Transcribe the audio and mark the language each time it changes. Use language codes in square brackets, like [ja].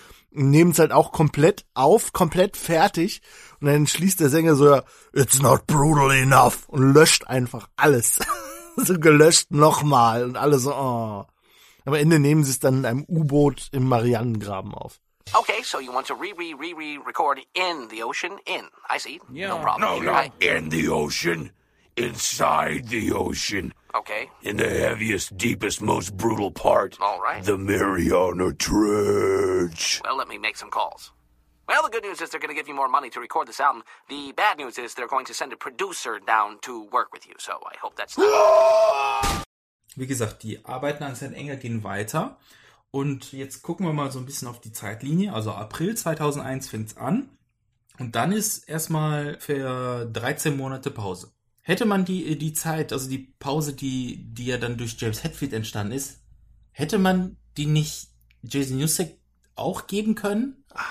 [de] Nehmen es halt auch komplett auf, komplett fertig. Und dann schließt der Sänger so, [en] it's not brutal enough. [de] Und löscht einfach alles. So gelöscht nochmal. Und alle so, oh. Am Ende nehmen sie es dann in einem U-Boot im Marianengraben auf. [en] Okay, so you want to re-re-re-re-record in the ocean? In, I see. Yeah. No problem. No, not in the ocean. Inside the ocean. Okay. In the heaviest, deepest, most brutal part. All right. The Mariana Trench. Well, let me make some calls. Well, the good news is they're going to give you more money to record this album. The bad news is they're going to send a producer down to work with you. So I hope that's not... [de] Wie gesagt, die Arbeiten an St. Anger gehen weiter. Und jetzt gucken wir mal so ein bisschen auf die Zeitlinie. Also April 2001 fängt es an. Und dann ist erstmal für 13 Monate Pause. Hätte man die Zeit, also die Pause, die ja dann durch James Hetfield entstanden ist, hätte man die nicht Jason Newsted auch geben können?